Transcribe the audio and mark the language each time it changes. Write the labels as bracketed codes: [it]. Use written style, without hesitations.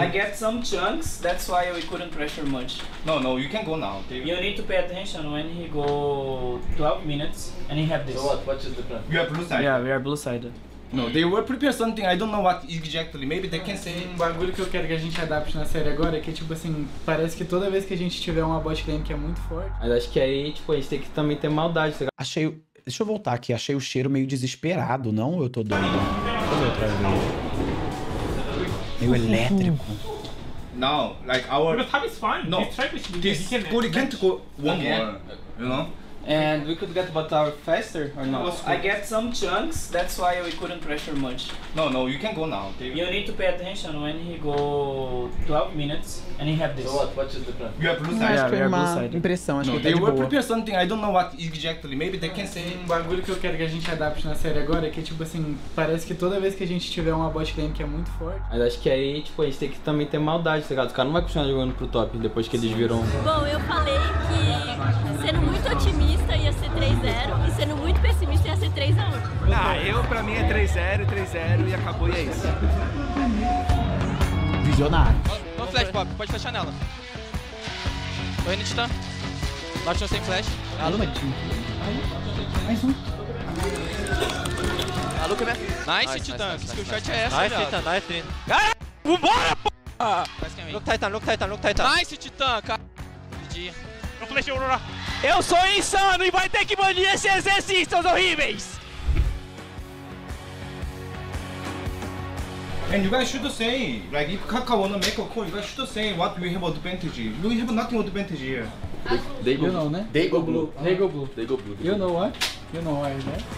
[en] I get some chunks, that's why we couldn't pressure much. No, no, you can go now. You need to pay attention when he go 12 minutes and he have this. So what? What is the plan? You are blue side. Yeah, we are blue side. No, they were prepared something, I don't know what exactly, maybe they can say... [pt] Um bagulho que eu quero que a gente adapte na série agora é que, tipo assim, parece que toda vez que a gente tiver uma bot lane que é muito forte... Mas acho que aí, tipo, a gente tem que também ter maldade, tá? Achei... Deixa eu voltar aqui, achei o cheiro meio desesperado, não? Eu tô doido. Cadê outra vez? Meio elétrico. [en] Não, like our... Because time is fine, no. This track is... This... We can't go one more, you know? And we could get Batar faster or not? I get some chunks, that's why we couldn't pressure much. No, no, you can go now. You need to pay attention when he go 12 minutes and he have this. So what? What is the plan? You have blue side. [pt] Acho que é uma impressão, acho que tá de boa. [en] They were prepared something, I don't know what exactly, maybe they can say... [pt] Um bagulho que eu quero que a gente adapte na série agora é que, tipo assim, parece que toda vez que a gente tiver uma bot lane que é muito forte... Mas acho que aí, tipo, a gente tem que também ter maldade, tá ligado? O cara não vai continuar jogando pro top depois que eles viram... Bom, eu falei que... Sendo muito otimista ia ser 3-0 e sendo muito pessimista ia ser 3-1. Ah, eu pra mim é 3-0 e acabou e é isso. Visionário. Vamos flash, Bob, pode fechar nela. Oi, Nitita. Nós estamos sem flash. A Luca mais um. A Luca, né? Nice, Titã. Que skill shot é essa, nice, Titã, nice, Titã. Caralho, vambora, p***! Look Titan, look Titan, look Titan. Nice, Titã, cara. GG. Não flechei, Aurora. Eu sou insano e vai ter que banir esses exercícios horríveis! [en] And you guys should say, like, if Kaka wanna make a call, you guys should say what we have advantage. We have nothing advantage here. They go, you know, né? They go blue. They go blue. They go blue. You know what? You know why, né?